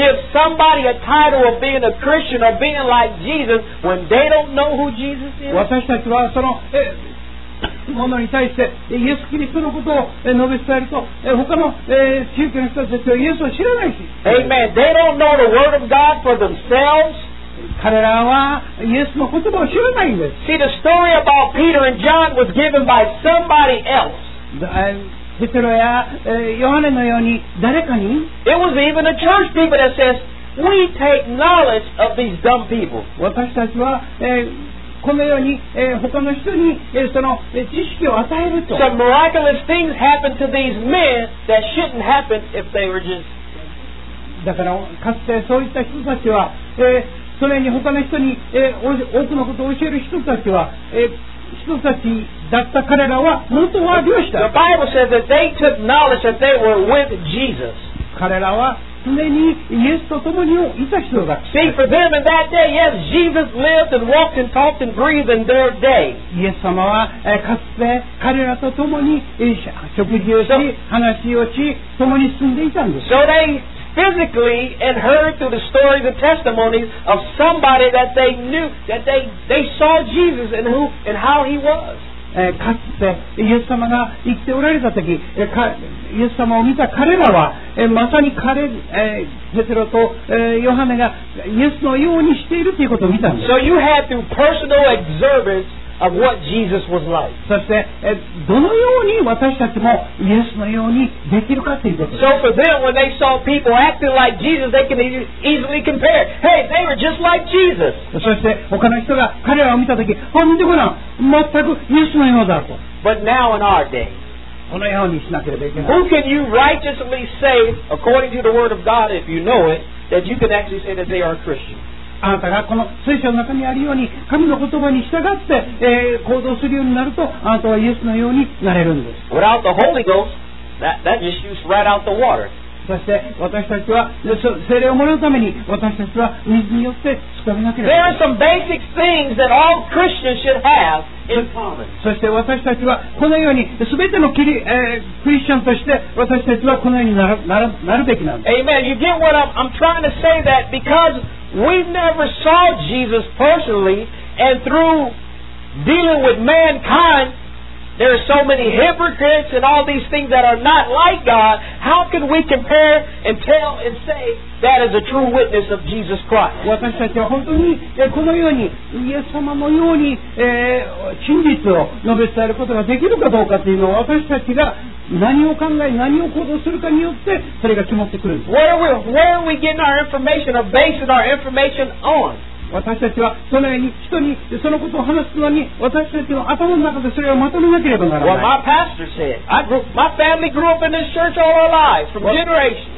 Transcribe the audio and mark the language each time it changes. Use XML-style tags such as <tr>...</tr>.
<en>give somebody a title of being a Christian or being like Jesus when they don't know who Jesus is?</en> <ja>私たちはその、ものに対してイエス・キリストのことを述べ伝えると、他の、宗教の人たちはイエスを知らないし、</ja> <en>Amen. They don't know the word of God for themselves.</en> <ja>彼らはイエスの言葉を知らないんです。</ja> <en>See, the story about Peter and John was given by somebody else.</en> <ja>ペテロや、ヨハネのように誰かに、</ja> <en>It was even a church people that says, we take knowledge of these dumb people.</en> <ja>私たちは、このように、他の人に、その、知識を与えると。</ja> <en>Some miraculous things happen to these men that shouldn't happen if they were just、</en> <ja>だからかつてそういった人たちは、それに他の人に、多くのことを教える人たちは、人たちだった彼らは本当は漁師だ。</ja> <en>The Bible says that they took knowledge that they were with Jesus.</en> <ja>彼らは常にイエスと共にいた人だ。</ja> <en>See, for them in that day, yes, Jesus lived and walked and talked and breathed in their day.</en> <ja>イエス様は、かつて彼らと共に食事をし、話をし、共に住んでいたんです。</ja> <en>So they physically and heard through the stories and testimonies of somebody that they knew, that they saw Jesus and who and how he was.</en> <ja>かつてイエス様が生きておられた時、イエス様を見た彼らは、まさに彼、ペテロと、ヨハネがイエスのようにしているということを見たんです。</ja> <en>So you had to personal observance of what Jesus was like.</en> <ja>そして、どのように私たちもイエスのようにできるかということです。</ja> <en>So for them, when they saw people acting like Jesus, they can easily compare. Hey, they were just like Jesus.</en> <ja>そして他の人が彼らを見た時、あ、見てごらん、全くイエスのようだと。</ja> <en>But now in our day,</en> <ja>このようにしなければいけない。</ja> <en>Who can you righteously say, according to the word of God, if you know it, that you can actually say that they are a Christian?</en> <ja>あなたがこの聖書の中にあるように神の言葉に従って、行動するようになると、あなたはイエスのようになれるんです。</ja> <en>Without the Holy Ghost, that just shoots right out the water.</en> <ja>そして私たちは聖霊をもらうために、私たちは水によって救われなければ。</ja> <en>There are some basic things that all Christians should have in common.</en> <ja>そして私たちはこのように全てのクリスチャンとして私たちはこのようになるべきなんです。</ja> <en>Amen. You get what I'm trying to say, that becauseWe never saw Jesus personally, and through dealing with mankind, there are so many hypocrites and all these things that are not like God. How can we compare and tell and say that is a true witness of Jesus Christ?</en> <ja>私たちは本当にこのようにイエス様のように、真実を述べ伝えることができるかどうかというのは、私たちが何を考え、何を行動するかによってそれが決まってくるんです。</ja> <en>Where are we getting our information or basing our information on?</en> <ja>私たちはそのように人にそのことを話すのに、私たちの頭の中でそれをまとめなければならない。</ja> <en>Well, my pastor said, my family grew up in this church all our lives, from generations.</en>